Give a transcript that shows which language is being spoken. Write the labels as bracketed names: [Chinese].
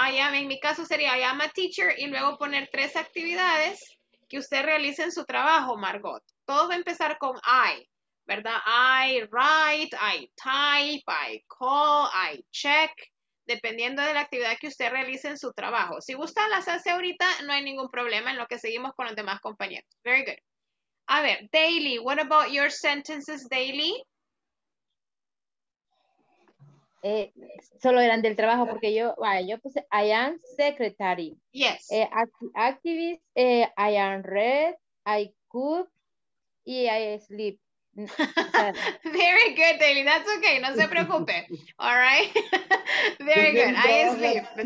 [Spanish] I am, en mi caso sería [English] I am a teacher [Spanish] y luego poner tres actividades que usted realice en su trabajo, Margot. Todo va a empezar con I, ¿verdad? [English] I write, I type, I call, I check, [Spanish] dependiendo de la actividad que usted realice en su trabajo. Si gusta, las hace ahorita, no hay ningún problema en lo que seguimos con los demás compañeros. [English] Very good. [Spanish] A ver, [English] Daily, what about your sentences, Daily? [Spanish] Solo eran del trabajo porque yo puse [English] I am secretary. Yes. Activist, I am read, I cook, y I sleep. Very good, Daily. That's okay. [Spanish] No se preocupe. [English] All right. Very good. I sleep.